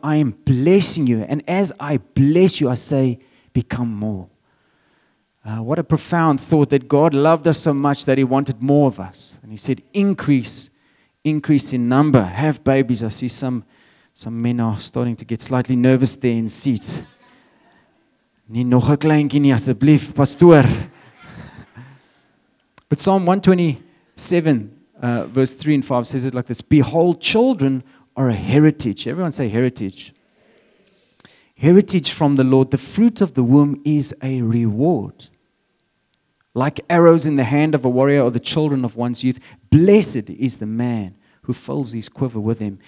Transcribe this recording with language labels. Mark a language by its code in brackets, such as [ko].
[en] I am blessing you. And as I bless you, I say, become more." What a profound thought that God loved us so much that he wanted more of us. And he said, increase in number. Have babies. I see some men are starting to get slightly nervous there in seats. [af] Nie nog 'n kleintjie nie, asseblief, pastoor. [en] But Psalm 127, verse 3 and 5 says it like this. "Behold, children are a heritage." Everyone say heritage. "Heritage from the Lord. The fruit of the womb is a reward. Like arrows in the hand of a warrior or the children of one's youth. Blessed is the man who fills his quiver with him.